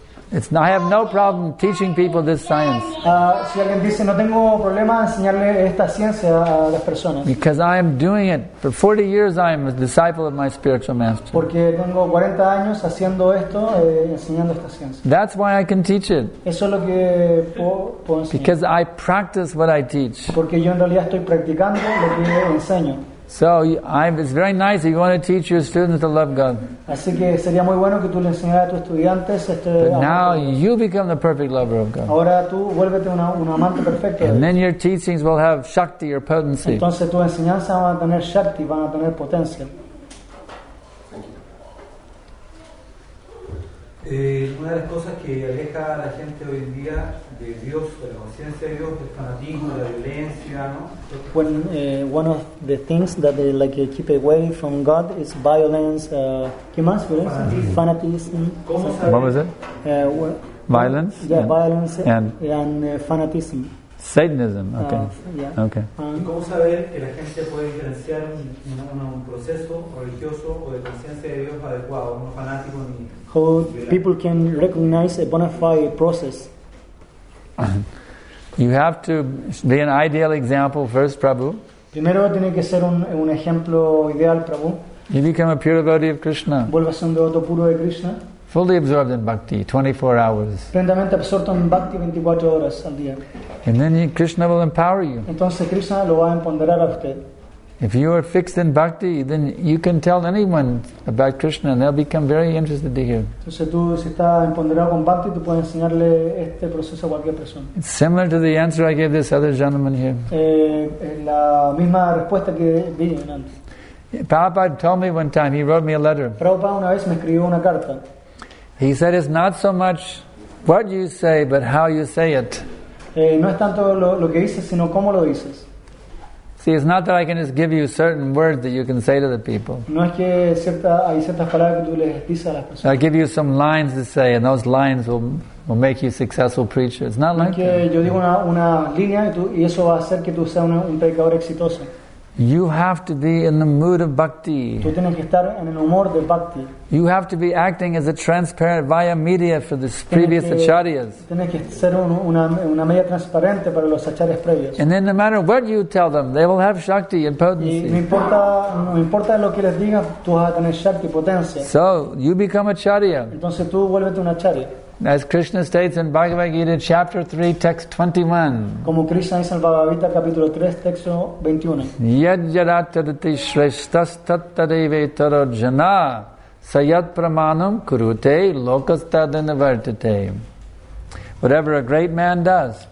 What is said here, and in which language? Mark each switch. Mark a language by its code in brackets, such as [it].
[en] I have no problem teaching people this science. [es] Si alguien dice, no tengo problema enseñarle esta ciencia a las personas. [en] Because I am doing it. For 40 years I am a disciple of my spiritual master. [es] Porque tengo 40 años haciendo esto, enseñando esta ciencia. [en] That's why I can teach it. [es] Eso es lo que puedo enseñar. [en] Because I practice what I teach. [es] Porque yo en realidad estoy practicando lo que yo enseño. [en] So it's very nice if you want to teach your students to love God. [es] Así que sería muy bueno que tú le enseñaras a tus estudiantes este. [en] But now you become the perfect lover of God. [es] Ahora tú vuélvete un amante perfecto. [en] And then your teachings will have shakti or potency. [es] Entonces tu enseñanza va a tener shakti, van a tener potencia. Una de las cosas que aleja a la gente hoy en día de Dios, de la conciencia de Dios, del fanatismo, de la violencia, ¿no? [en] When one of the things that they like keep away from God is violence. [es] ¿Qué más? [en] Violence? Fanatism. What was it? Violence. Yeah, violence and fanatism. Satanism. Okay. Yeah. Okay. [es] ¿Cómo saber que la gente puede diferenciar un proceso religioso o de conciencia de Dios adecuado, no fanático ni? [en] How people can recognize a bona fide process? You have to be an ideal example first, Prabhu. [es] Primero tiene que ser un ejemplo ideal, Prabhu. [en] You become a pure devotee of Krishna. [es] Vuelve a ser un devoto puro de Krishna. [en] Fully absorbed in bhakti, 24 hours. [es] Plenamente absorto en bhakti 24 horas al día. [en] And then Krishna will empower you. [es] Entonces Krishna lo va a empoderar a usted. [en] If you are fixed in bhakti, then you can tell anyone about Krishna and they'll become very interested to hear. [es] Entonces tú, si estás empoderado con bhakti, tú puedes enseñarle este proceso a cualquier persona. [en] It's similar to the answer I gave this other gentleman here. [es] La misma respuesta que vi antes. [en] Prabhupada told me one time, he wrote me a letter. [es] Prabhupada una vez me escribió una carta. [en] He said, it's not so much what you say, but how you say it. [es] No es tanto lo que dices, sino cómo lo dices. [en] See, it's not that I can just give you certain words that you can say to the people. [es] No es que hay ciertas palabras que tú les dices a las personas. [en] I give you some lines to say, and those lines will make you a successful preacher. It's not like that. [es] Yo digo una línea y eso va a hacer que tú seas un predicador exitoso. [en] You have to be in the mood of bhakti. [es] Tú tienes que estar en el humor de bhakti. [en] You have to be acting as a transparent via media for the previous acharyas. [es] Tienes que ser una media transparente para los acharyas previos. [en] And then no matter what you tell them, they will have shakti and potency. [es] Y no importa lo que les digas, tú vas a tener shakti y potencia. [en] So you become a acharya. [es] Entonces tú vuélvete un acharya. [en] As Krishna states in Bhagavad Gita, chapter 3, text 21. [es] Como Krishna dice en Bhagavad Gita, capítulo 3, texto 21. [sa] Yad jarataditi shrestas tattadeve taro jana sayat pramanam kurute lokastadana vartate. [en] Whatever a great man does,